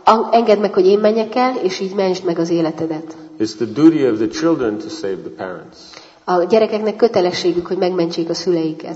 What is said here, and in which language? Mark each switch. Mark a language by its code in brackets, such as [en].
[hu] Engedd meg, hogy én menjek el, és így mentsd meg az életedet. [en] It's the duty of the children to save the parents. [hu] A gyerekeknek kötelességük, hogy megmentsék a szüleiket.